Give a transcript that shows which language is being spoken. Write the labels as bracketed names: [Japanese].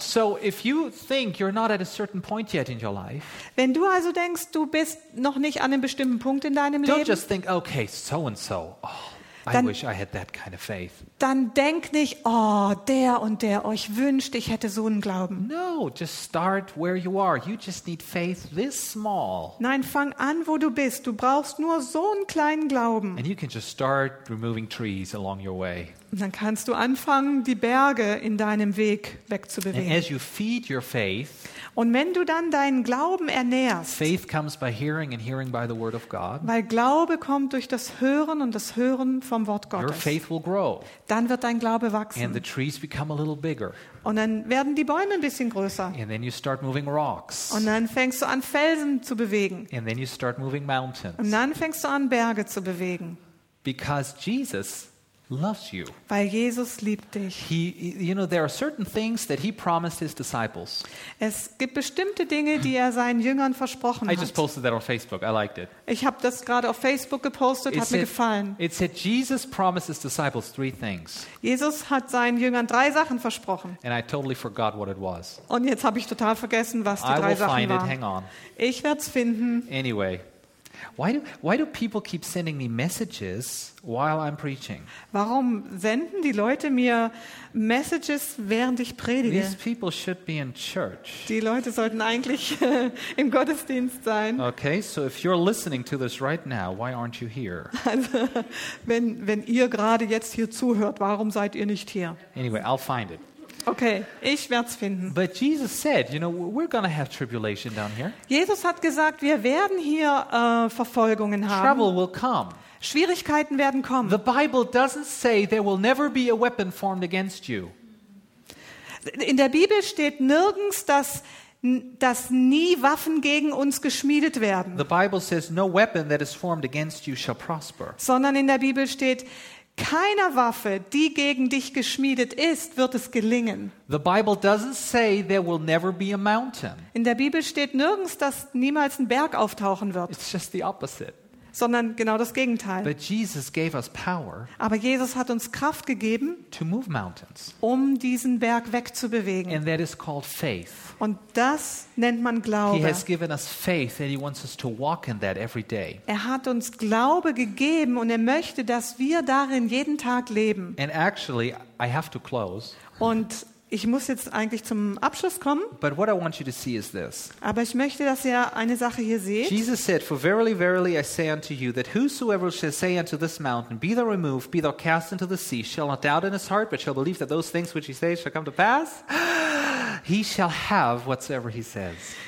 [English] So if you think you're not at a certain point yet in your life. [German] Wenn du also denkst, du bist noch nicht an einem bestimmten Punkt in deinem [English] don't [German] Leben. [English] Don't just think, okay, so and so. Oh. Dann, I wish I had that kind of faith. [German] Dann denk nicht, oh, der und der, euch wünscht, ich hätte so einen Glauben. [English] No, just start where you are. You just need faith this small. [German] Nein, fang an, wo du bist. Du brauchst nur so einen kleinen Glauben. [English] And you can just start removing trees along your way. [German] Und dann kannst du anfangen, die Berge in deinem Weg wegzubewegen. [English] And as you feed your faith, [German] und wenn du dann deinen Glauben ernährst, [English] faith comes by hearing and hearing by the word of God, [German] weil Glaube kommt durch das Hören und das Hören vom Wort Gottes, [English] your faith will grow, [German] dann wird dein Glaube wachsen. [English] And the trees become a little bigger. [German] Und dann werden die Bäume ein bisschen größer. [English] And then you start moving rocks. [German] Und dann fängst du an, Felsen zu bewegen. [English] And then you start moving mountains. [German] Und dann fängst du an, Berge zu bewegen. [English] Because Jesus loves you. [German] Weil Jesus liebt dich. [English] He, you know, there are certain things that he promised his disciples. [German] Es gibt bestimmte Dinge, die seinen Jüngern versprochen hat. [English] I just posted that on Facebook. I liked it. [German] Ich habe das gerade auf Facebook gepostet, hat mir gefallen. [English] It said Jesus promised his disciples three things. [German] Jesus hat seinen Jüngern drei Sachen versprochen. [English] And I totally forgot what it was. [German] Und jetzt habe ich total vergessen, was die drei Sachen waren. [English] I will find it. Hang on. [German] Ich werde es finden. [English] Anyway. Why do people keep sending me messages while I'm preaching? [German] Warum senden die Leute mir Messages, während ich predige? [English] These people should be in church. [German] Die Leute sollten eigentlich im Gottesdienst sein. [English] Okay, so if you're listening to this right now, why aren't you here? [German] Also, wenn ihr gerade jetzt hier zuhört, warum seid ihr nicht hier? [English] Anyway, I'll find it. [German] Okay, ich werde es finden. [English] But Jesus said, you know, we're going to have tribulation down here. [German] Jesus hat gesagt, wir werden hier Verfolgungen haben. [English] Trouble will come. [German] Schwierigkeiten werden kommen. [English] The Bible doesn't say there will never be a weapon formed against you. [German] In der Bibel steht nirgends, dass nie Waffen gegen uns geschmiedet werden. [English] The Bible says no weapon that is formed against you shall prosper. [German] Sondern in der Bibel steht, keiner Waffe, die gegen dich geschmiedet ist, wird es gelingen. [English] The Bible doesn't say there will never be a mountain. [German] In der Bibel steht nirgends, dass niemals ein Berg auftauchen wird. [English] It's just the opposite. [German] sondern genau das Gegenteil. [English] But Jesus gave us power. [German] Aber Jesus hat uns Kraft gegeben, [English] to move mountains. [German] Um diesen Berg wegzubewegen. [English] And that is called faith. [German] Und das nennt man Glaube. [English] He has given us faith and he wants us to walk in that every day. [German] Er hat uns Glaube gegeben und er möchte, dass wir darin jeden Tag leben. [English] And actually, I have to close. [German] Und ich muss jetzt eigentlich zum Abschluss kommen. [English] But what I want you to see is this. [German] Aber ich möchte, dass ihr eine Sache hier seht. [English] Jesus said, for verily, verily, I say unto you, that whosoever shall say unto this mountain, be thou removed, be thou cast into the sea, shall not doubt in his heart, but shall believe that those things which he says shall come to pass, he shall have whatsoever he says.